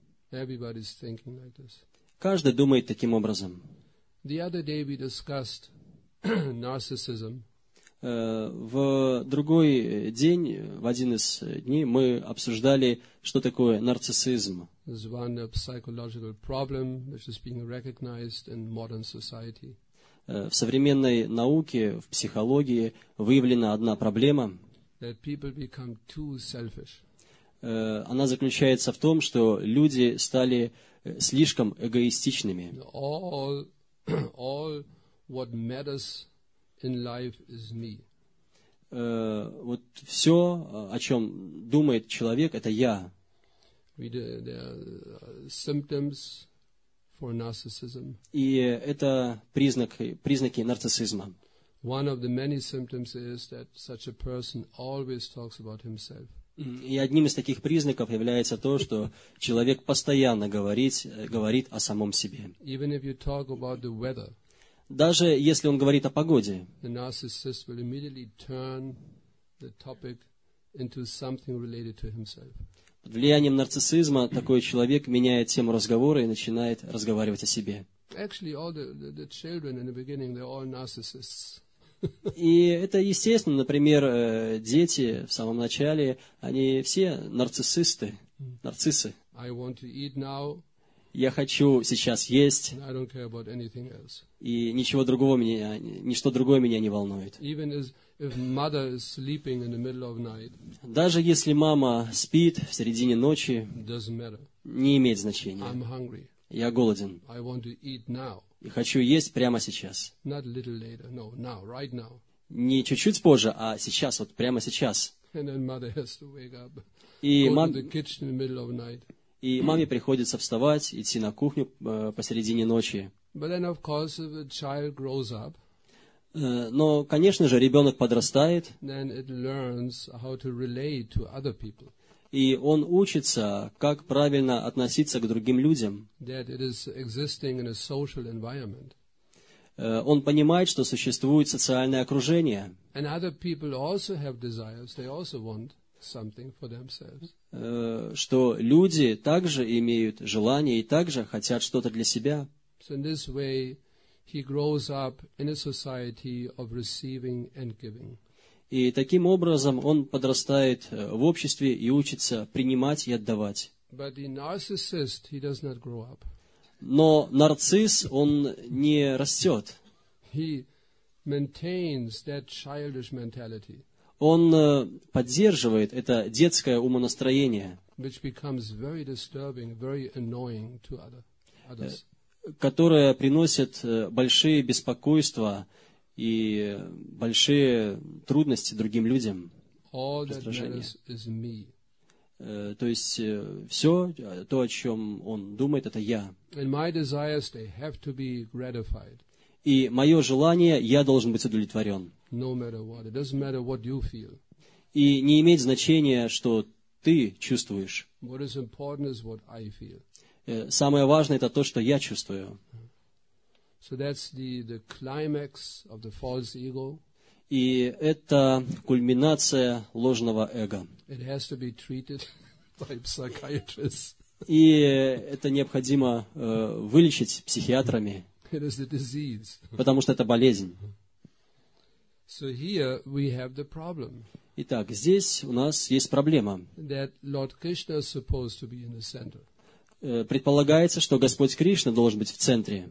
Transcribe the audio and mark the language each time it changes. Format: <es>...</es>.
<en>Everybody's thinking like this.</en> <ru>Каждый думает таким образом.</ru> <en>The other day we discussed narcissism.</en> <ru>В другой день, в один из дней, мы обсуждали, что такое нарциссизм.</ru> <en>It's one psychological problem which is being recognized in modern society.</en> <ru>в современной науке, в психологии выявлена одна проблема.</ru> <en>That people become too selfish.</en> <ru>Она заключается в том, что люди стали слишком эгоистичными.</ru> <en>All what matters in life is me.</en> <ru>Вот все, о чем думает человек, это я.</ru> <en>There are symptoms for narcissism.</en> <ru>И это признаки нарциссизма.</ru> <en>One of the many symptoms is that such a person always talks about himself.</en> <ru>И одним из таких признаков является то, что человек постоянно говорит о самом себе.</ru> <en>Even if you talk about the weather,</en> <ru>даже если он говорит о погоде,</ru> <en>the narcissist will immediately turn the topic into something related to himself.</en> <ru>Под влиянием нарциссизма такой человек меняет тему разговора и начинает разговаривать о себе.</ru> <en>Actually, all the children in the beginning, they're all narcissists.</en> <ru>И это естественно. Например, дети в самом начале, они все нарциссисты, нарциссы.</ru> <en>I want to eat now.</en> <ru>Я хочу сейчас есть.</ru> <en>I don't care about anything else.</en> <ru>И ничего другого меня, ничто другое меня не волнует.</ru> <en>Even if mother is sleeping in the middle of night,</en> <ru>даже если мама спит в середине ночи,</ru> <en>doesn't matter.</en> <ru>Не имеет значения.</ru> <en>I'm hungry.</en> <ru>Я голоден.</ru> <en>I want to eat now.</en> <ru>И хочу есть прямо сейчас.</ru> <en>Not a little later, no, now, right now.</en> <ru>Не чуть-чуть позже, а сейчас, вот прямо сейчас.</ru> <en>And then mother has to wake up.</en> <ru>И</ru> <en>to the kitchen in the middle of night.</en> <ru>И маме приходится вставать, идти на кухню посередине ночи.</ru> <en>But then, of course, if a child grows up,</en> <ru>но, конечно же, ребенок подрастает.</ru> <en>Then it learns how to relate to other people.</en> <ru>И он учится, как правильно относиться к другим людям.</ru> <en>That it is existing in a social environment.</en> <ru>Он понимает, что существует социальное окружение.</ru> <en>And other people also have desires. They also want something for themselves.</en> <ru>Что люди также имеют желания и также хотят что-то для себя.</ru> <en>So in this way, he grows up in a society of receiving and giving.</en> <ru>И таким образом он подрастает в обществе и учится принимать и отдавать.</ru> <en>But the narcissist, he does not grow up.</en> <ru>Но нарцисс, он не растет.</ru> <en>He maintains that childish mentality.</en> <ru>Он поддерживает это детское умонастроение,</ru> <en>which becomes very disturbing, very annoying to others.</en> <ru>Которое приносит большие беспокойства и большие трудности другим людям.</ru> <en>All that matters is me.</en> <ru>То есть все, то, о чем он думает, это я.</ru> <en>And my desires, they have to be gratified.</en> <ru>И мое желание, я должен быть удовлетворен.</ru> <en>No matter what. It doesn't matter what you feel.</en> <ru>И не имеет значения, что ты чувствуешь.</ru> <en>What is important is what I feel.</en> <ru>Самое важное – это то, что я чувствую.</ru> <en>So that's the climax of the false ego.</en> <ru>И это кульминация ложного эго.</ru> <en>It has to be treated by psychiatrists.</en> <ru>И это необходимо вылечить психиатрами.</ru> <en>It is the disease.</en> <ru>Потому что это болезнь.</ru> <en>So here we have the problem.</en> <ru>Итак, здесь у нас есть проблема.</ru> <en>That Lord Krishna is supposed to be in the center.</en> <ru>Предполагается, что Господь Кришна должен быть в центре.</ru>